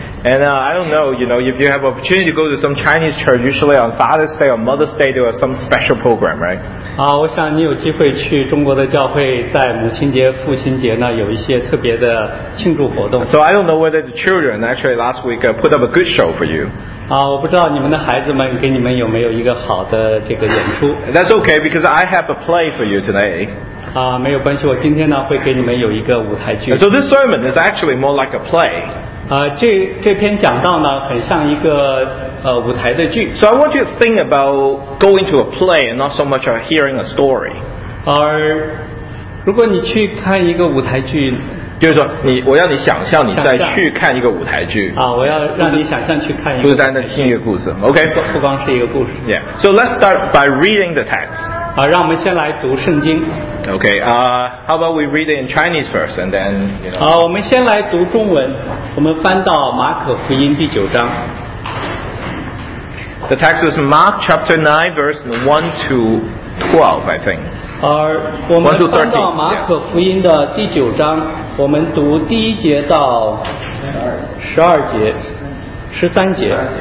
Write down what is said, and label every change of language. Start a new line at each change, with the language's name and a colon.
English: And I don't know, you know, if you have opportunity to go to some Chinese church, usually on Father's Day or Mother's Day, there are some special program, right?
Chinese: 我想你有机会去中国的教会，在母亲节、父亲节呢，有一些特别的庆祝活动。
English: So I don't know whether the children actually last week put up a good show for you.
Chinese: 我不知道你们的孩子们给你们有没有一个好的这个演出。
English: That's okay, because I have a play for you today.
Chinese: 没有关系，我今天呢会给你们有一个舞台剧。
English: So this sermon is actually more like a play.
Chinese: 这篇讲道呢很像一个舞台的剧。
English: So I want you to think about going to a play and not so much of hearing a story.
Chinese: 而如果你去看一个舞台剧，就是说我要你想象你在去看一个舞台剧。我要让你想象去看一个舞台剧。不是在那听一个故事。OK? 不光是一个故事。
English: Yeah. So let's start by reading the text.
Chinese: 让我们先来读圣经。
English: OK, how about we read it in Chinese first and then, you know.
Chinese: 我们先来读中文。我们翻到马可福音第九章。
English: The text is Mark chapter 9, verse 1 to 12, I think.
Chinese: 我们翻到马可福音的第九章。我们读第一节到十二节，十三节。